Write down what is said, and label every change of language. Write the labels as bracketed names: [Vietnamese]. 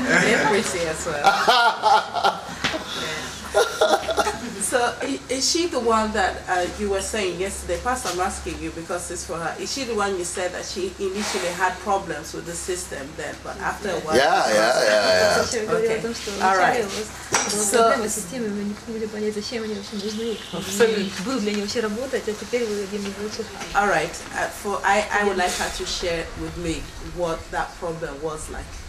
[English] You're pretty as well. So, is she the one that you were saying yesterday? Pastor, I'm asking you because it's for her. Is she the one you said that she initially had problems with the system then, but after a while? Yeah. Okay. All right. [Russian] So, проблема с системой, мы не могли понять, зачем они вообще нужны. Абсолютно. Был для нее вообще работать, а теперь вы один из лучших. [English] All right. I would like her to share with me what that problem was like.